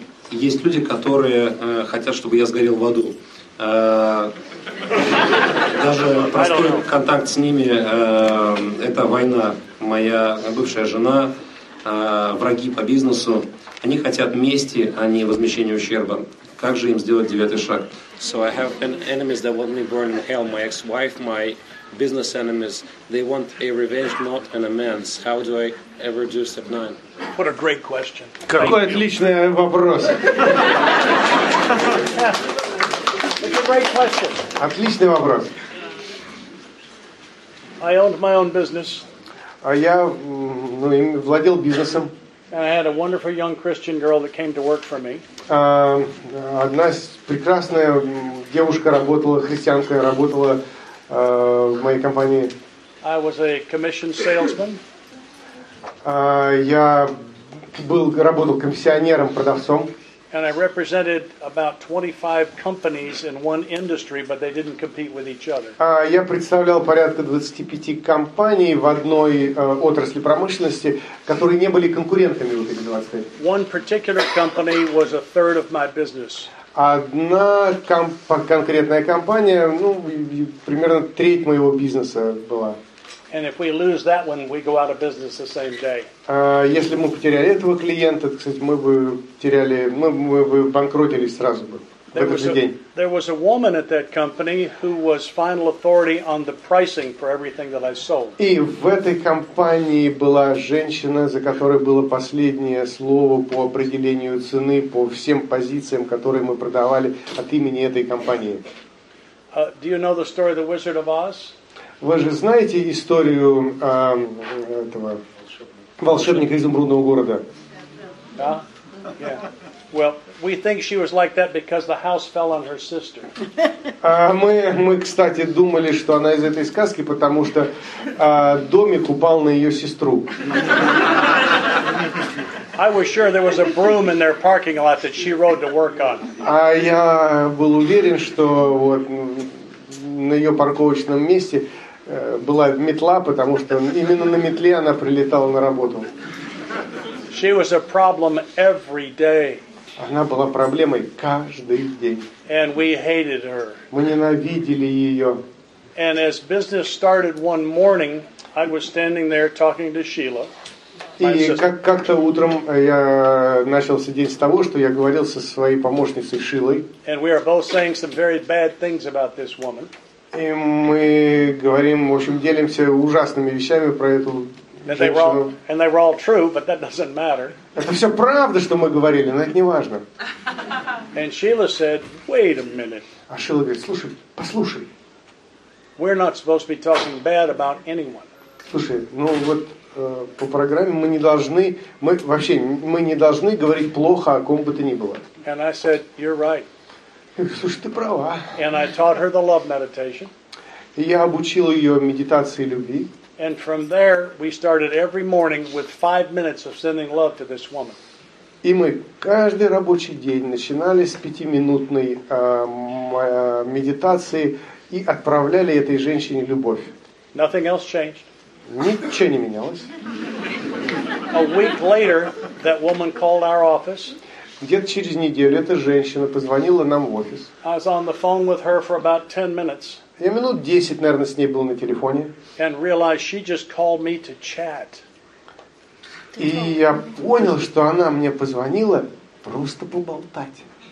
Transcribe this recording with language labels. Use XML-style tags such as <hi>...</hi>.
<ru>Есть люди, которые хотят, чтобы я сгорел в аду. Даже простой контакт с ними, это война, моя бывшая жена, враги по бизнесу, они хотят мести, а не возмещения ущерба. Как же им сделать девятый шаг?</ru> <en>So I have enemies that want me burn in hell, my ex-wife, my business enemies, they want a revenge, not an amends. How do I ever do step 9? What a great question.</en> <ru>Какой отличный вопрос.</ru> <en>It's a great question.</en> <ru>Отличный вопрос.</ru> <en>I owned my own business.</en> <ru>А я, ну, владел бизнесом.</ru> <en>And I had a wonderful young Christian girl that came to work for me.</en> <ru>Одна прекрасная девушка работала, христианка, работала в моей компании.</ru> <en>I was a commission salesman.</en> <ru>Я был, работал комиссионером, продавцом.</ru> <en>And I represented about 25 companies in one industry, but they didn't compete with each other.</en> <ru>Я представлял порядка 25 компаний в одной отрасли промышленности, которые не были конкурентами у этих 25.</ru> <en>One particular company was a third of my business.</en> <ru>Одна конкретная компания, ну, примерно треть моего бизнеса была.</ru> <en>And if we lose that one, we go out of business the same day.</en> <ru>Если мы потеряли этого клиента, кстати, мы бы теряли, мы бы банкротились сразу бы в этот же день.</ru> <en>There was a woman at that company who was final authority on the pricing for everything that I sold.</en> <ru>И в этой компании была женщина, за которой было последнее слово по определению цены по всем позициям, которые мы продавали от имени этой компании.</ru> <en>Do you know the story of the Wizard of Oz?</en> <ru>Вы же знаете историю этого волшебника изумрудного города? Да? Yeah.</ru> <en>Well, we think she was like that because the house fell on her sister.</en> <ru>Мы, кстати, думали, что она из этой сказки, потому что домик упал на ее сестру.</ru> <en>I was sure there was a broom in their parking lot that she rode to work on.</en> <ru>А я был уверен, что вот на ее парковочном месте была метла, потому что именно на метле она прилетала на работу.</ru> <en>She was a problem every day.</en> <ru>Она была проблемой каждый день.</ru> <en>And we hated her.</en> <ru>Мы ненавидели ее.</ru> <en>And as business started one morning, I was standing there talking to Sheila.</en> <ru>И как-то утром я начал сидеть с того, что я говорил со своей помощницей Шилой.</ru> <en>And we are both saying some very bad things about this woman.</en> <ru>И мы говорим, в общем, делимся ужасными вещами про эту женщину. Это все правда, что мы говорили, но это не важно.</ru> <en>And Sheila said, wait a minute.</en> <ru>А Шила говорит, слушай, послушай.</ru> <en>We're not supposed to be talking bad about anyone.</en> <ru>Слушай, ну вот по программе мы не должны, мы вообще, мы не должны говорить плохо о ком бы то ни было.</ru> <en>And I said, you're right.</en> <ru>Слушай, ты права.</ru> <en>And I taught her the love meditation.</en> <ru>И я обучил ее медитации любви.</ru> <en>And from there we started every morning with 5 minutes of sending love to this woman.</en> <ru>И мы каждый рабочий день начинали с 5-минутной медитации и отправляли этой женщине любовь.</ru> <en>Nothing else changed.</en> <ru>Ничего не менялось.</ru> <en>A week later, that woman called our office.</en> <ru>Где-то через неделю эта женщина позвонила нам в офис.</ru> <en>I was on the phone with her for about 10 minutes.</en> <ru>Я минут 10, наверное, с ней был на телефоне.</ru> <en>And realized she just called me to chat.</en> <ru>И я понял, что она мне позвонила просто поболтать.</ru>